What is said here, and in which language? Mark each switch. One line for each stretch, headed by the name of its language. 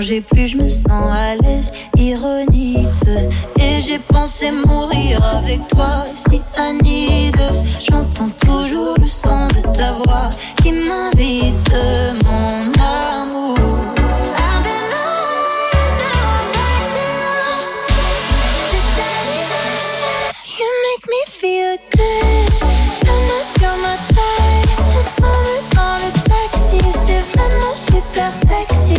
French: Plus je me sens à l'aise, ironique. Et j'ai pensé mourir avec toi, cyanide. J'entends toujours le son de ta voix qui m'invite, mon amour.
English: I've been away, now I'm back to you. You make me feel good.
French: La main sur ma taille, on s'en va dans le taxi. C'est vraiment super sexy.